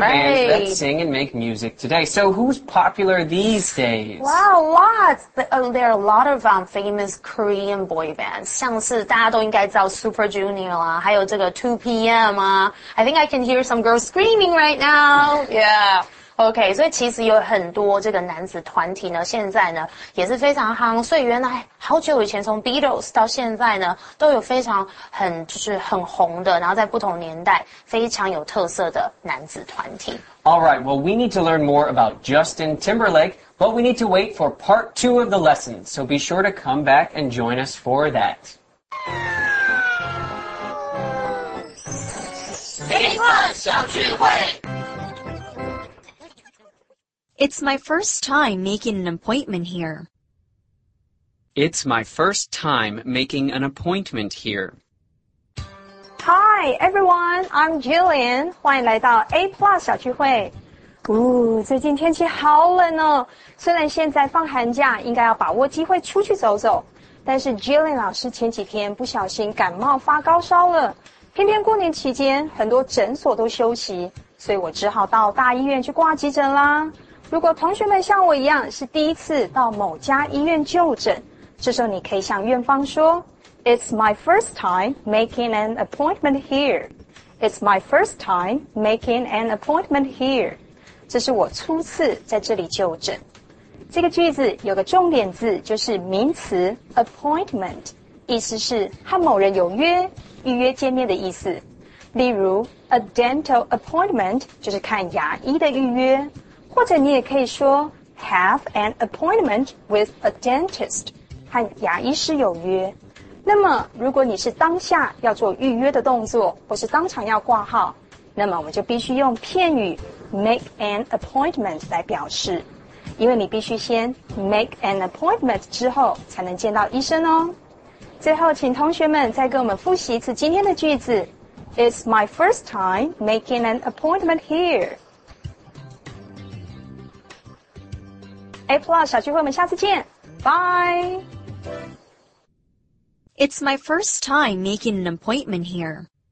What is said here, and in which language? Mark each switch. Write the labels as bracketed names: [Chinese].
[English] bands that sing and make music today. So who's popular these days? Wow, lots! There are a lot of、famous Korean boy bands. [Chinese] 像是大家都应该知道 Super Junior 啦，还有这个 2PM 啊。 [English] I think I can hear some girls screaming right now. Yeah. [Chinese] OK, 所以其实有很多这个男子团体呢现在呢也是非常夯，所以原来好久以前从 Beatles 到现在呢都有非常很就是很红的，然后在不同年代非常有特色的男子团体。 [English] Alright, well we need to learn more about Justin Timberlake, but we need to wait for part two of the lesson, so be sure to come back and join us for that. [Chinese] Famous 小聚会。 [English] It's my first time making an appointment here. It's my first time making an appointment here. Hi, everyone. I'm Jillian. [Chinese] 欢迎来到 [English] A Plus 小聚会。 [Chinese] 哦，最近天气好冷哦。虽然现在放寒假，应该要把握机会出去走走。但是 Jillian 老师前几天不小心感冒发高烧了。偏偏过年期间，很多诊所都休息，所以我只好到大医院去挂急诊啦。如果同学们像我一样是第一次到某家医院就诊，这时候你可以向院方说 [English] It's my first time making an appointment here. It's my first time making an appointment here. [Chinese] 这是我初次在这里就诊。这个句子有个重点字，就是名词 appointment， 意思是和某人有约，预约见面的意思。例如 [English] a dental appointment [Chinese] 就是看牙医的预约，或者你也可以说 [English] have an appointment with a dentist， [Chinese] 和牙医师有约。那么如果你是当下要做预约的动作，或是当场要挂号，那么我们就必须用片语 [English] make an appointment [Chinese] 来表示，因为你必须先 make an appointment 之后才能见到医生哦。最后请同学们再跟我们复习一次今天的句子。 [English] It's my first time making an appointment here [Chinese] A Plus 小聚会，我们下次见，拜。 [English] It's my first time making an appointment here.